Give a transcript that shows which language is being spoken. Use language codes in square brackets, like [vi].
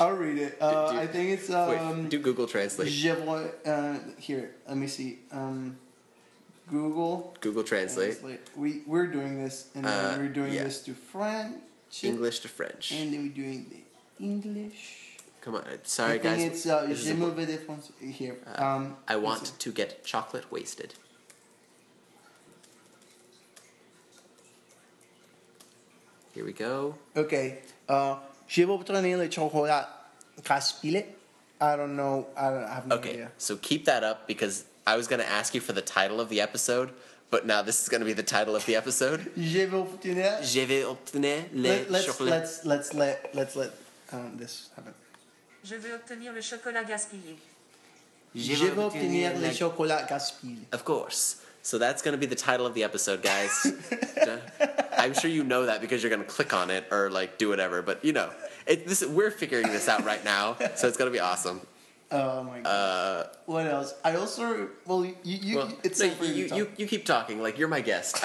[en] I'll read it. I think it's... do Google Translate. [fr] Je vois, [en] here, let me see. Google Translate. We're doing this, and then we're doing this to French. English to French. And then we're doing the English... Come on, sorry guys. I think it's [fr] Je me vais défoncer [en] here. I want to get chocolate wasted. Here we go. Okay. [fr] Je vais prendre le chocolat gaspillé. [en] I don't know. I have no idea. Okay, so keep that up, because I was going to ask you for the title of the episode. But now this is going to be the title of the episode. [fr] Je vais obtenir le chocolat. [en] Let's let this happen. [fr] Je veux obtenir le chocolat gaspillé. Je veux obtenir le chocolat gaspillé. [en] Of course. So that's going to be the title of the episode, guys. I'm sure you know that because you're going to click on it or, like, do whatever. But, you know, we're figuring this out right now, so it's going to be awesome. Oh, my God. What else? I also... You keep talking. Like, you're my guest.